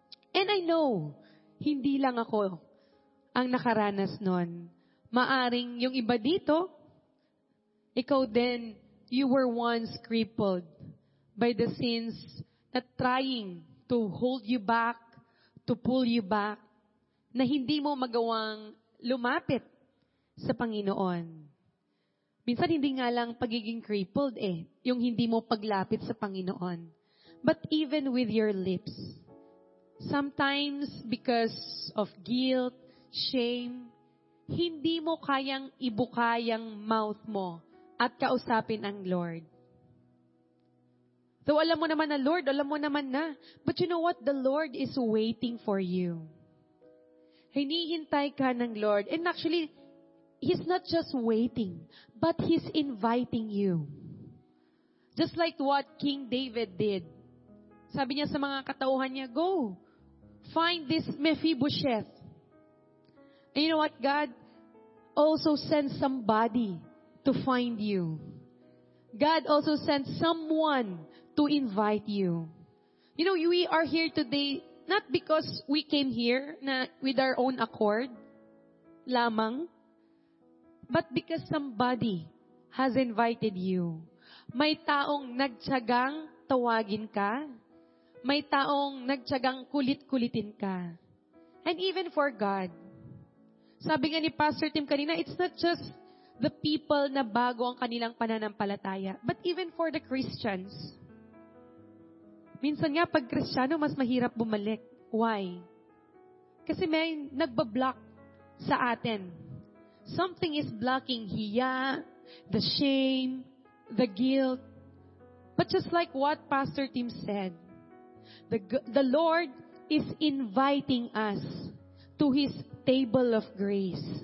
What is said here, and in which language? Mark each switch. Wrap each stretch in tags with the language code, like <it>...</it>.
<en>And I know,</en> <tl>hindi lang ako ang nakaranas nun. Maaring yung iba dito, ikaw din,</tl> <en>you were once crippled by the sins na trying to hold you back, to pull you back,</en> <tl>na hindi mo magawang lumapit sa Panginoon. Minsan hindi nga lang pagiging crippled eh, yung hindi mo paglapit sa Panginoon.</tl> <en>But even with your lips, sometimes because of guilt, shame,</en> <tl>hindi mo kayang ibuka yung mouth mo at kausapin ang Lord. So alam mo naman na</tl> <en>Lord, alam mo naman na. But you know what? The Lord is waiting for you.</en> <tl>Hinihintay ka ng Lord.</tl> <en>And actually, He's not just waiting, but He's inviting you. Just like what King David did.</en> <tl>Sabi niya sa mga katauhan niya,</tl> <en>go, find this Mephibosheth. And you know what, God? Also sends somebody to find you. God also sends someone to invite you. You know, we are here today, not because we came here na with our own accord, lamang, but because somebody has invited you.</en> <tl>May taong nagtsagang tawagin ka. May taong nagtsagang kulit-kulitin ka.</tl> <en>And even for God.</en> <tl>Sabi nga ni Pastor Tim kanina,</tl> <en>it's not just the people</en> <tl>na bago ang kanilang pananampalataya,</tl> <en>but even for the Christians.</en> <tl>Minsan nga, pag Kristiyano, mas mahirap bumalik.</tl> <en>Why?</en> <tl>Kasi may nagbablock sa atin.</tl> <en>Something is blocking hiya, the shame, the guilt. But just like what Pastor Tim said, the Lord is inviting us to His table of grace.</en>